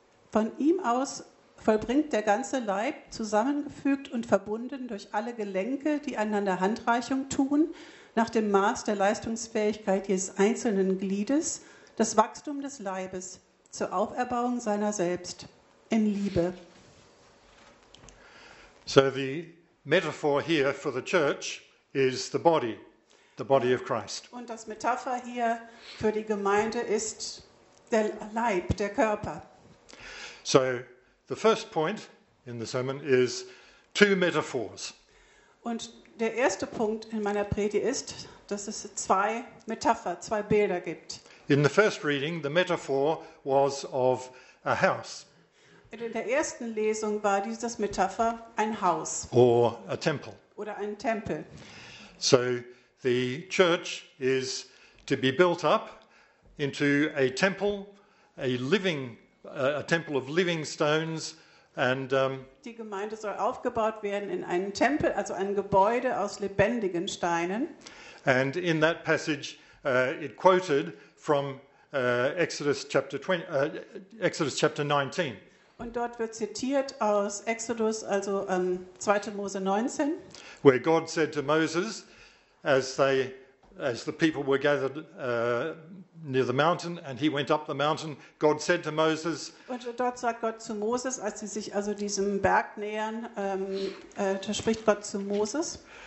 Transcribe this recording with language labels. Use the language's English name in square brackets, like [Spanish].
[German] Von ihm aus vollbringt der ganze Leib, zusammengefügt und verbunden durch alle Gelenke, die einander Handreichung tun, nach dem Maß der Leistungsfähigkeit jedes einzelnen Gliedes, das Wachstum des Leibes zur Auferbauung seiner selbst in Liebe. [English] So the metaphor here for the church is the body of Christ. [German] Und das Metapher hier für die Gemeinde ist der Leib, der Körper. [English] So the first point in the sermon is two metaphors. [German] Und der erste Punkt in meiner Predigt ist, dass es zwei Metapher, zwei Bilder gibt. [English] In the first reading, the metaphor was of a house. [German] In der ersten Lesung war dieses Metapher ein Haus. [English] Or a temple. [German] Oder ein Tempel. [English] So the church is to be built up into a temple, a living, a temple of living stones. And, [German] die Gemeinde soll aufgebaut werden in einen Tempel, also ein Gebäude aus lebendigen Steinen. [English] And in that passage, it quoted from Exodus chapter 19. [German] Und dort wird zitiert aus Exodus, also 2. Mose 19. [English] Where God said to Moses, as the people were gathered near the mountain and he went up the mountain, God said to Moses. [German] Und dort sagt Gott zu Moses, als sie sich also diesem Berg nähern, da spricht Gott zu Moses.